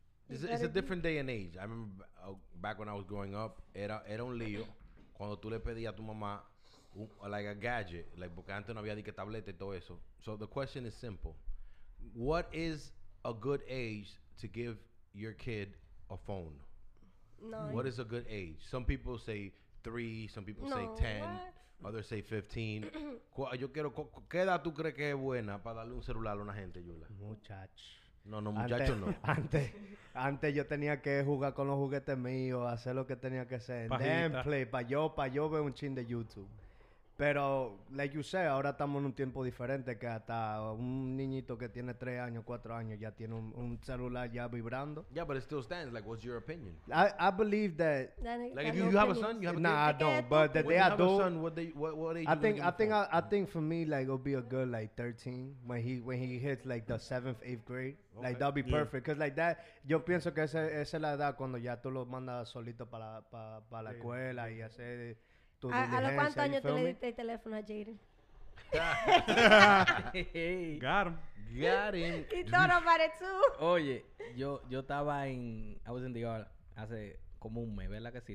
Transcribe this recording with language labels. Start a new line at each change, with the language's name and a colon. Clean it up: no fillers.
English: It's a different day and age. I remember back when I was growing up,
Spanish: era un lío. Cuando tú le pedías a tu mamá
English: like a gadget,
Spanish: like, porque antes no había ni que tableta y todo eso.
English: So the question is simple. What is a good age to give your kid a phone? Nine. What is a good age? Some people say 3, some people say 10, others say 15.
Spanish: Yo quiero, ¿qué edad tú crees que es buena para darle un celular a una gente, Yula? Muchacho. No, muchachos, no. Antes yo tenía que jugar con los juguetes míos, hacer lo que tenía que hacer. Pajita. Then play, pa' yo ver un chin de YouTube. Pero,
English: like you said,
Spanish: ahora estamos en un tiempo diferente que hasta un niñito que tiene 3 años, 4 años ya tiene un celular ya vibrando.
English: Yeah, but it still stands. Like, what's your opinion? I believe that... Like, if you have a son, you have a kid? Nah, I don't. But the day I do... When you have a son, what age I think for me, like, it'll be a good, like, 13 when he hits, like, the 7th, 8th grade. Okay. Like, that'll be perfect. Because, like, that...
Spanish: Yo pienso que esa es la edad cuando ya tú lo mandas solito para la escuela y hacer... ¿A los cuántos años tú le diste el teléfono a Jaden?
English: Got him.
Spanish: Y todo para tú. Oye, yo estaba en...
English: I was in the yard
Spanish: hace como un mes, ¿verdad que sí?